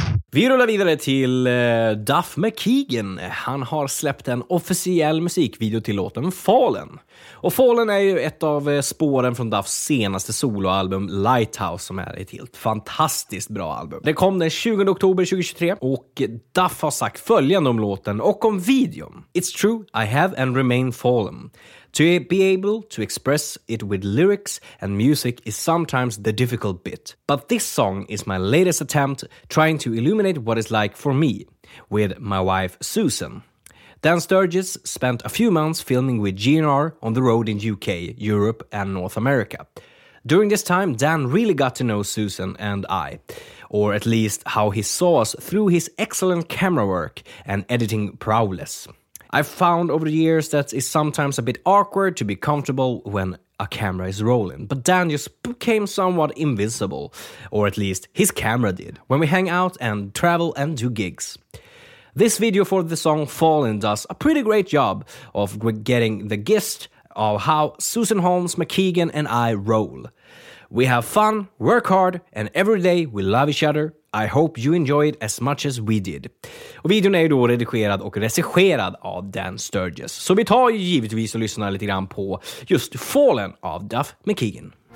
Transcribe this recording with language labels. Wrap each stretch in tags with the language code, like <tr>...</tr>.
<sv>Vi rullar vidare till Duff McKagan. Han har släppt en officiell musikvideo till låten Fallen. Och Fallen är ju ett av spåren från Duffs senaste soloalbum Lighthouse, som är ett helt fantastiskt bra album. Det kom den 20 oktober 2023, och Duff har sagt följande om låten och om videon.</sv> <en>It's true, I have and remain fallen. To be able to express it with lyrics and music is sometimes the difficult bit. But this song is my latest attempt trying to illuminate what it's like for me with my wife Susan. Dan Sturges spent a few months filming with GNR on the road in UK, Europe and North America. During this time, Dan really got to know Susan and I, or at least how he saw us through his excellent camera work and editing prowess. I've found over the years that it's sometimes a bit awkward to be comfortable when a camera is rolling. But Dan just became somewhat invisible, or at least his camera did, when we hang out and travel and do gigs. This video for the song Fallen does a pretty great job of getting the gist of how Susan Holmes, McKagan and I roll. We have fun, work hard, and every day we love each other. I hope you enjoy it as much as we did.</en> <sv>Och videon är då redigerad och regisserad av Dan Sturges. Så vi tar ju givetvis och lyssnar lite grann på just Fallen av Duff McKagan.</sv>